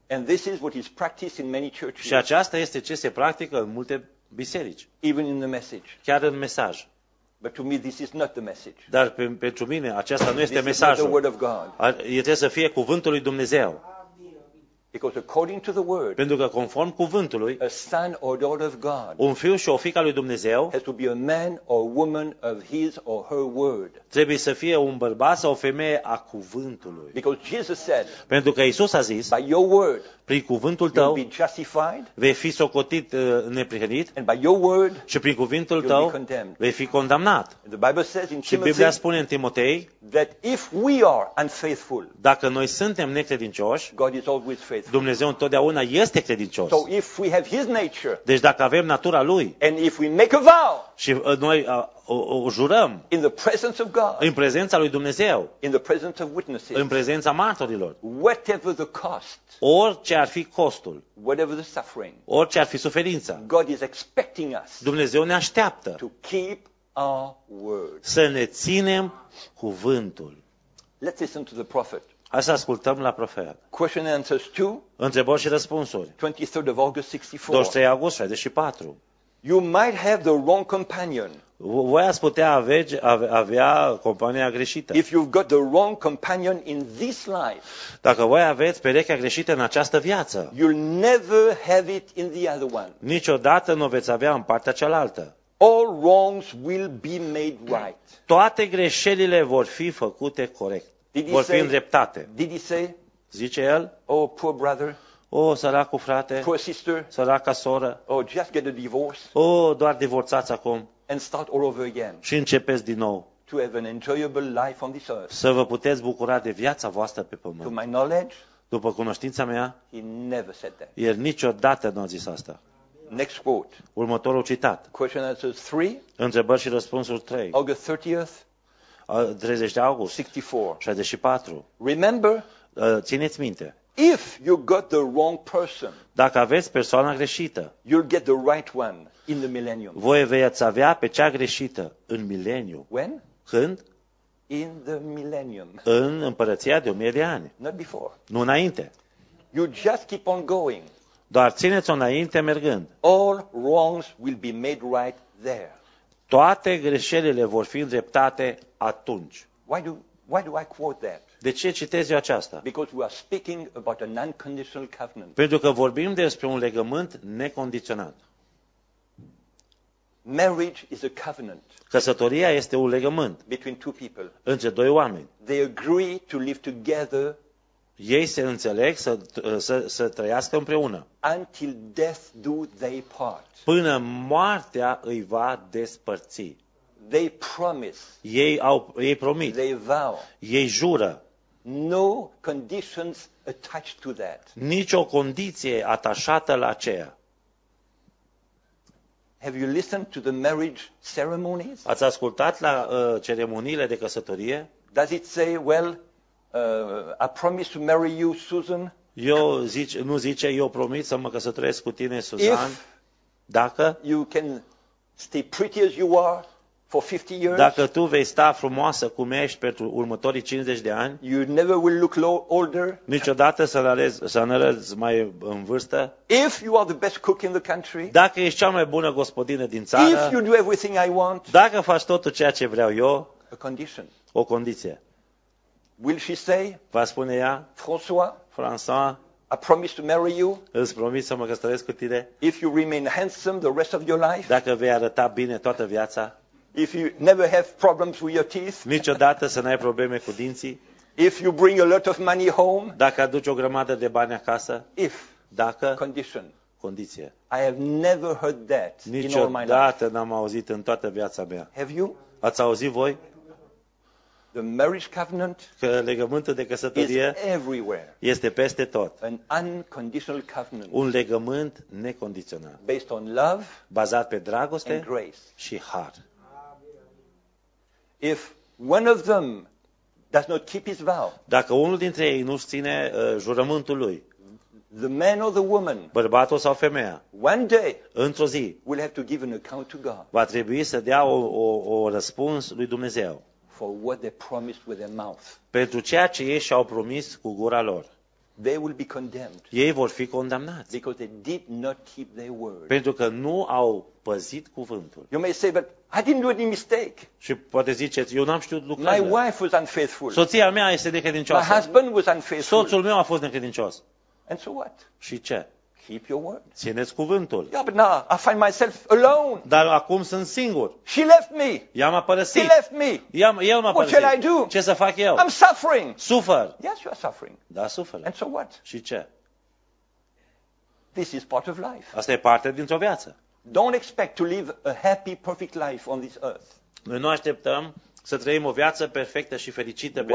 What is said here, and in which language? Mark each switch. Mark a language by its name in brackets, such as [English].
[English] And this is what is practiced in many churches. [Romanian] Și aceasta este ce se practică în multe biserici. [English] Even in the message. [Romanian] Chiar în mesaj. [English] But to me this is not the message. [Romanian] Dar pentru mine aceasta nu este mesajul. [English] This is the word of God. [Romanian] Trebuie să fie cuvântul lui Dumnezeu. [English] Because according to the word, [Romanian] pentru că conform cuvântului, [English] a son or daughter of God, [Romanian] un fiu și o fiică lui Dumnezeu, [English] has to be a man or woman of his or her word. [Romanian] Trebuie să fie un bărbat sau o femeie a cuvântului. [English] Because Jesus said, [Romanian] pentru că Iisus a zis, [English] by your word, [Romanian] prin cuvântul tău, [English] you'll be justified, [Romanian] vei fi socotit neprihănit, [English] and by your word, [Romanian] și prin cuvântul [English] you'll [Romanian] tău, [English] be condemned. [Romanian] Vei fi condamnat. [English] And the Bible says in [Romanian] Timotei, și Biblia spune în Timotei, [English] that if we are unfaithful, [Romanian] dacă noi suntem necredincioși, [English] God is always faithful. [Romanian] Dumnezeu întotdeauna este credincios. [English] So if we have his nature, [Romanian] deci dacă avem natura lui [English] and if we make a vow, [Romanian] și noi o jurăm [English] in the presence of God, [Romanian] în prezența lui Dumnezeu, [English] in the presence of witnesses, [Romanian] în prezența martorilor, [English] whatever the cost, [Romanian] orice ar fi costul, [English] whatever the suffering, [Romanian] orice ar fi suferința, [English] God is expecting us, [Romanian] Dumnezeu ne așteaptă [English] to keep our word. [Romanian] Să ne ținem cuvântul. [English] Let's listen to the prophet. [Romanian] Hai să ascultăm la profet. [English] Question and answers 2. [Romanian] Întrebări și răspunsuri. [English] 23 august 64. [Romanian] 23 august 64. [English] You might have the wrong companion. [Romanian] Voi ați putea avea compania greșită. [English] If you've got the wrong companion in this life. [Romanian] Dacă voi aveți perechea greșită în această viață. [English] You'll never have it in the other one. [Romanian] Niciodată nu veți avea în partea cealaltă. [English] All wrongs will be made right. [Romanian] Toate greșelile vor fi făcute corect. Vor fi îndreptate. [English] Did he say? [Romanian] Zice el. [English] Oh, poor brother. [Romanian] Oh, săracul frate. [English] Poor sister. [Romanian] Săraca soră. [English] Oh, just get a divorce. [Romanian] Oh, doar divorțați acum. [English] And start all over again. [Romanian] Și începeți din nou. [English] To have an enjoyable life on this earth. [Romanian] Să vă puteți bucura de viața voastră pe pământ. [English] To my knowledge. [Romanian] După cunoștința mea. [English] He never said that. [Romanian] El niciodată nu a zis asta. [English] Next quote. [Romanian] Următorul citat. [English] Question and answer 3. [Romanian] Întrebări și răspunsuri 3. [English] August 30th. [Romanian] 30 august. [English] 64. [Romanian] 64. [English] Remember. [Romanian] Țineți minte. [English] If you got the wrong person. [Romanian] Dacă aveți persoana greșită. [English] You'll get the right one in the millennium. [Romanian] Voi veți avea pe cea greșită în mileniu. [English] When? [Romanian] Când? [English] In the millennium. [Romanian] În împărăția de 1000 de ani. [English] Not before. [Romanian] Nu înainte. [English] You just keep on going. [Romanian] Doar țineți-o înainte mergând. [English] All wrongs will be made right there. [Romanian] Toate greșelile vor fi îndreptate atunci. [English] Why do I quote that? [Romanian] De ce citez eu aceasta? [English] Because we are speaking about a non-conditional covenant. [Romanian] Pentru că vorbim despre un legământ necondiționat. [English] Marriage is a covenant. [Romanian] Căsătoria este un legământ. [English] Between two people. [Romanian] Între doi oameni. [English] They agree to live together. [Romanian] Ei se înțeleg să trăiască împreună. [English] Until death do they part. [Romanian] Până moartea îi va despărți. [English] They promise. [Romanian] Ei promit. [English] They vow. [Romanian] Ei jură. [English] No conditions attached to that. [Romanian] Nicio condiție atașată la aceea. [English] Have you listened to the marriage ceremonies? [Romanian] Ați ascultat la ceremoniile de căsătorie? [English] Does it say, well, I promise to marry you, Susan? [Romanian] Eu promit să mă căsătoresc cu tine, Susan. [English] If [Romanian] dacă [English] you can stay pretty as you are. For 50 years, [Romanian] dacă tu vei sta frumoasă cum ești pentru următorii 50 de ani, [English] you never will look older. [Romanian] Niciodată să n-arăți mai în vârstă. [English] If you are the best cook in the country, [Romanian] dacă ești cea mai bună gospodină din țară. [English] If you do everything I want, [Romanian] dacă faci totul ceea ce vreau eu. [English] A condition. [Romanian] O condiție. [English] Will she say? [Romanian] Va spune ea. [English] François. I promise to marry you. [Romanian] Îți promit să mă căsătoresc cu tine. [English] If you remain handsome the rest of your life. [Romanian] Dacă vei arăta bine toată viața. [English] If you never have problems with your teeth. [Romanian] Niciodată să n-ai probleme cu dinții. [English] If you bring a lot of money home. [Romanian] Dacă aduci o grămadă de bani acasă. [English] If. [Romanian] Dacă. [English] Condition. [Romanian] Condiție. [English] I have never heard that in all my life. [Romanian] Niciodată n-am auzit în toată viața mea. [English] Have you? [Romanian] Ați auzit voi? [English] The marriage covenant. [Romanian] Că legământul de căsătorie. [English] Is everywhere. [Romanian] Este peste tot. [English] An unconditional covenant. [Romanian] Un legământ necondiționat. [English] Based on love. [Romanian] Bazat pe dragoste. [English] And grace. [Romanian] Și har. [English] If one of them does not keep his vow. [Romanian] Dacă unul dintre ei nu ține jurământul lui. [English] The man or the woman. [Romanian] Bărbatul sau femeia. [English] One day. [Romanian] Într-o zi. [English] Will have to give an account to God. [Romanian] Va trebui să dea o răspuns lui Dumnezeu. [English] For what they promised with their mouth. [Romanian] Pentru ceea ce ei și-au promis cu gura lor. [English] They will be condemned. [Romanian] Ei vor fi condamnați. [English] Because they did not keep their word. [Romanian] Pentru că nu au păzit cuvântul. [English] You may say, but I didn't do any mistake. [Romanian] Și poate ziceți, eu n-am știut lucrurile. [English] My wife was unfaithful. [Romanian] Soția mea este necredincioasă. [English] My husband was unfaithful. [Romanian] Soțul meu a fost necredincios. [English] And so what? [Romanian] Și ce? [English] Keep your word. [Romanian] Țineți cuvântul. [English] Yeah, but now I find myself alone. [Romanian] Dar acum sunt singur. [English] She left me. [Romanian] Ea m-a părăsit. [English] He left me. [Romanian] El m-a părăsit. [English] What shall I do? [Romanian] Ce să fac eu? [English] I'm suffering. [Romanian] Sufăr. [English] Yes, you are suffering. [Romanian] Da, sufăr. [English] And so what? [Romanian] Și ce? [English] This is part of life. [Romanian] Asta e parte dintr-o viață. [English] Don't expect to live a happy, perfect life on this earth. [Romanian] Noi nu așteptăm să trăim o viață perfectă și fericită pe